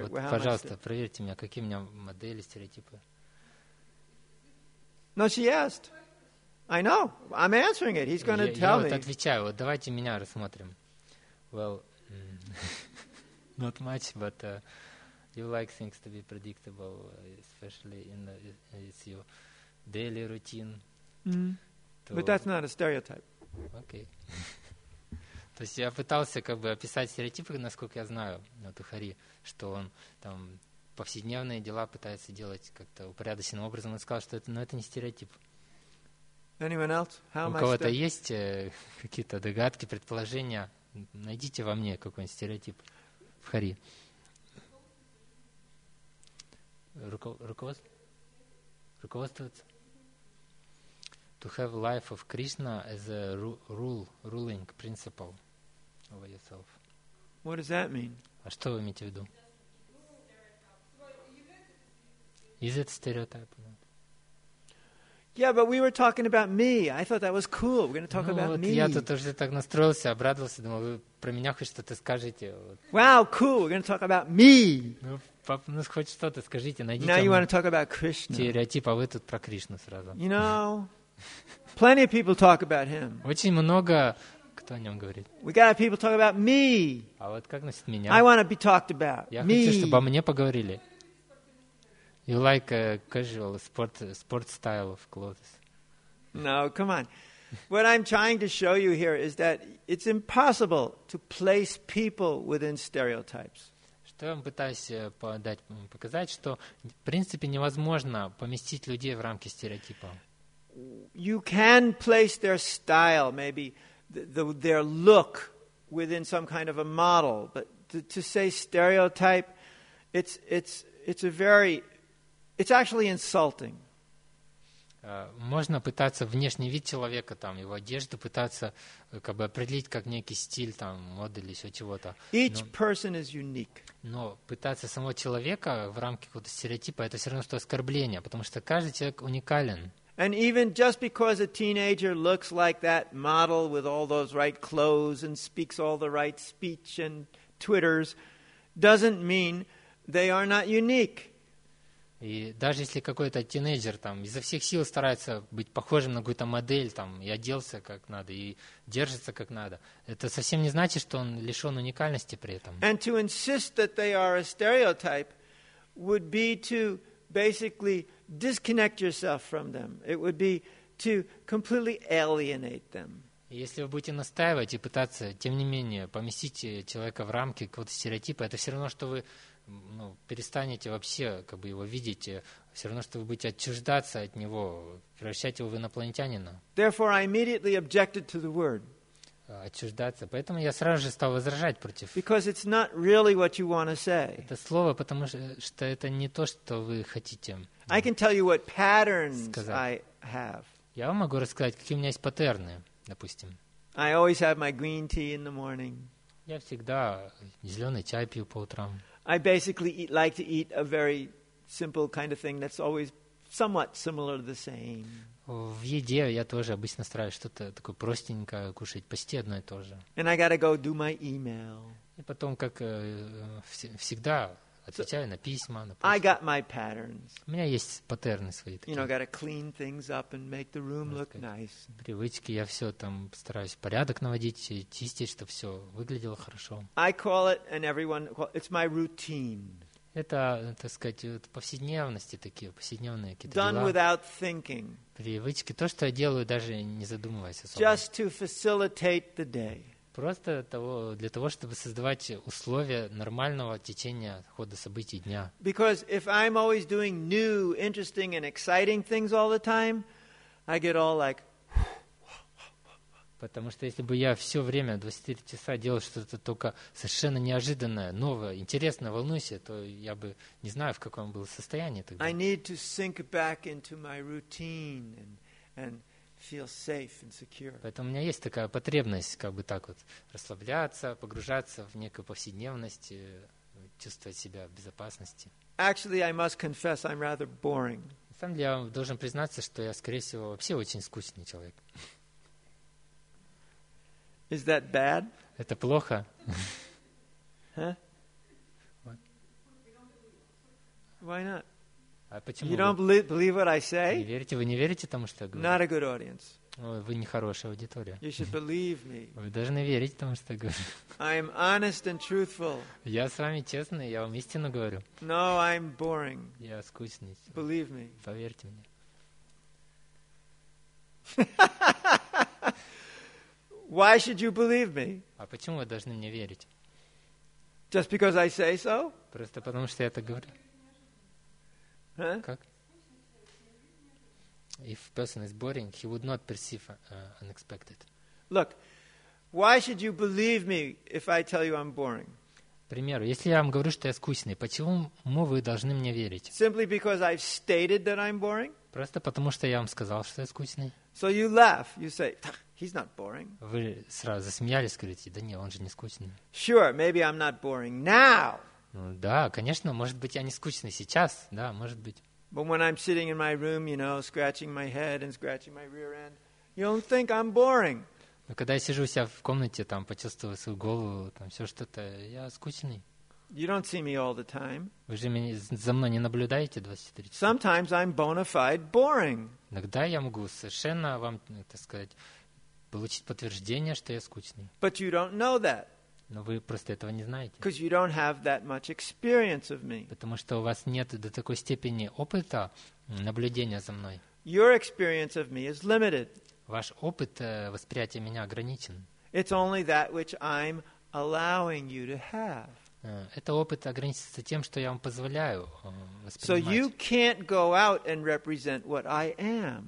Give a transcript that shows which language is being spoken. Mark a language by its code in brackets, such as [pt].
[ru] Пожалуйста, проверьте меня, какие у меня модели, стереотипы. [en] No, she asked. I know. I'm answering it. He's going to tell me. [ru] Я вот отвечаю. Вот давайте меня рассмотрим. [en] Well, not much, but you like things to be predictable, especially in it's your daily routine. Mm. But that's not a stereotype. Okay. [ru] То есть я пытался как бы описать стереотипы, насколько я знаю, на Тухари, что он там повседневные дела пытается делать как-то упорядоченным образом. Он сказал, что это, но это не стереотип. [en] Anyone else? How [ru] у кого-то есть какие-то догадки, предположения? Найдите во мне какой-нибудь стереотип в Хари. Руководствоваться? [en] To have life of Krishna as a rule, ruling principle over yourself. What does that mean? [ru] А что вы имеете в виду? [en] Is it stereotype? Yeah, but we were talking about me. I thought that was cool. We're going to talk about me. [ru] Я тут уже так настроился, обрадовался, думал, вы про меня хоть что-то скажете. [en] Wow, cool. We're going to talk about me. [ru] Ну, хоть что-то скажите, найдите. [en] Now you want to talk about Krishna. [ru] Стереотип, а вы тут про Кришну сразу. [en] You know, plenty of people talk about him. [ru] Очень много кто о нем говорит. [en] We got people talk about me. [ru] А вот как насчет меня? [en] I want to be talked about. [ru] Я хочу, чтобы обо мне поговорили. [en] You like casual sport style of clothes. No, come on. What I'm trying to show you here is that it's impossible to place people within stereotypes. [ru] Что я вам пытаюсь показать, что в принципе невозможно поместить людей в рамки стереотипа. [en] You can place their style, maybe their look within some kind of a model, but to say stereotype, it's a very... It's actually insulting. [ru] Можно пытаться внешний вид человека, там, его одежду, пытаться как бы определить как некий стиль, там, мод или еще чего-то. [en] Each person is unique. [ru] Но пытаться самого человека в рамки какого-то стереотипа, это все равно что оскорбление, потому что каждый человек уникален. [en] And even just because a teenager looks like that model with all those right clothes and speaks all the right speech and twitters, doesn't mean they are not unique. [ru] И даже если какой-то тинейджер там изо всех сил старается быть похожим на какую-то модель, там, и оделся как надо, и держится как надо, это совсем не значит, что он лишен уникальности при этом. [en] And to insist that they are a stereotype would be to basically disconnect yourself from them. It would be to completely alienate them. [ru] Если вы будете настаивать и пытаться, тем не менее, поместить человека в рамки какого-то стереотипа, это все равно, что вы ну, перестанете вообще как бы его видеть, все равно, что вы будете отчуждаться от него, превращать его в инопланетянина. [en] Therefore, I immediately objected to the word. [ru] Отчуждаться. Поэтому я сразу же стал возражать против. [en] Because it's not really what you want to say. [ru] Это слово, потому что это не то, что вы хотите. [en] I can tell you what patterns I have. [ru] Я вам могу рассказать, какие у меня есть паттерны, допустим. [en] I always have my green tea in the morning. [ru] Я всегда зеленый чай пью по утрам. [en] I basically like to eat a very simple kind of thing that's always somewhat similar to the same. [ru] В еде я тоже обычно стараюсь что-то такое простенькое кушать, почти одно и то же. [en] And I gotta go do my email. [ru] И потом, как всегда, отвечаю на письма, на почту. [en] I got my patterns. [ru] У меня есть паттерны свои такие. [en] You know, gotta clean things up and make the room look nice. [ru] Привычки, я все там стараюсь порядок наводить, чистить, чтобы все выглядело хорошо. [en] I call it, and everyone, it's my routine. [ru] Это, так сказать, вот повседневности такие, повседневные какие-то [en] done [ru] дела. [en] Without thinking. [ru] Привычки. То, что я делаю, даже не задумываясь особо. [en] Just to facilitate the day. [ru] Просто для того, чтобы создавать условия нормального течения хода событий дня. [en] Because if I'm always doing new, interesting and exciting things all the time, I get all like... [ru] Потому что если бы я все время, 24 часа, делал что-то только совершенно неожиданное, новое, интересное, волнуюсь, то я бы не знаю, в каком было состоянии тогда. [en] I need to sink back into my routine and feel safe and secure. [ru] Поэтому у меня есть такая потребность, как бы так вот, расслабляться, погружаться в некую повседневность, чувствовать себя в безопасности. [en] Actually, I must confess, I'm rather boring. [ru] На самом деле, я вам должен признаться, что я, скорее всего, вообще очень скучный человек. [en] Is that bad? [ru] Это плохо? Huh? [en] Why not? [ru] А почему? [en] You don't believe what I say? [ru] Не верите, вы не верите тому, что я говорю? [en] Not a good audience. [ru] Вы нехорошая аудитория. [en] You should believe me. [ru] Вы должны верить тому, что я говорю. [en] I am honest and truthful. [ru] Я с вами честный, я вам истину говорю. [en] No, I'm boring. [ru] Я скучный. [en] Believe me. [ru] Поверьте мне. [en] Why should you believe me? [ru] А почему вы должны мне верить? [en] Just because I say so? [ru] Просто потому, что я так говорю. Как? [en] If a person is boring, he would not perceive unexpected. Look, why should you believe me if I tell you I'm boring? [ru] Примеру, если я вам говорю, что я скучный, почему вы должны мне верить? [en] Simply because I've stated that I'm boring? [ru] Просто потому, что я вам сказал, что я скучный. [en] So you laugh, you say, he's not boring. [ru] Вы сразу засмеялись, говорите, да нет, он же не скучный. [en] Sure, maybe I'm not boring now. [ru] Ну да, конечно, может быть, я не скучный сейчас, да, может быть. [en] But when I'm sitting in my room, you know, scratching my head and scratching my rear end, you don't think I'm boring. [ru] Но когда я сижу у себя в комнате, там, почувствую свою голову, там, все что-то, я скучный. [en] You don't see me all the time. [ru] Вы же меня, за мной не наблюдаете 24 часа? [en] Sometimes I'm bona fide boring. [ru] Иногда я могу совершенно вам, так сказать, получить подтверждение, что я скучный. [en] But you don't know that. [ru] Но вы просто этого не знаете. [en] Because you don't have that much experience of me. [ru] Потому что у вас нет до такой степени опыта наблюдения за мной. [en] Your experience of me is limited. [ru] Ваш опыт восприятия меня ограничен. [en] It's only that which I'm allowing you to have. [ru] Это опыт ограничивается тем, что я вам позволяю воспринимать. [en] So you can't go out and represent what I am.